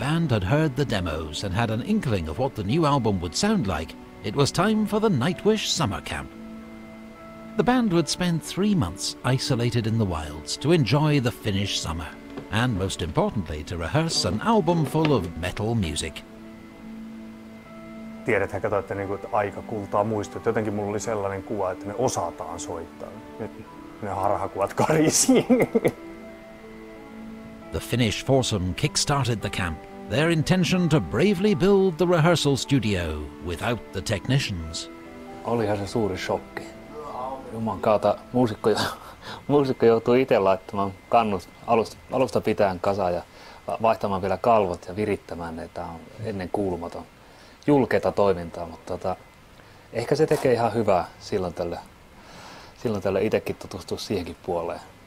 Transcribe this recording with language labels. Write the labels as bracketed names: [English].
[English] Had heard the demos and had an inkling of what the new album would sound like, it was time for the Nightwish summer camp. The band would spend 3 months isolated in the wilds to enjoy the Finnish summer, and most importantly to rehearse an album full of metal music. [Finnish] Tiedätkö, että aika kultaa muistot, jotenkin mulla oli sellainen kuva, että me osataan soittaa. Ne harhakuvat karisi. [English] The Finnish foursome kickstarted the camp. Their intention to bravely build the rehearsal studio without the technicians. [Finnish] Olihan se suuri shokki. Juman kautta muusikko joutui itse laittamaan kannut alusta pitäen kasaan ja vaihtamaan vielä kalvot ja virittämään ne. Tämä on ennen kuulumaton julkeita toimintaa, mutta ehkä se tekee ihan hyvää silloin tällöin itsekin tutustua siihenkin puoleen.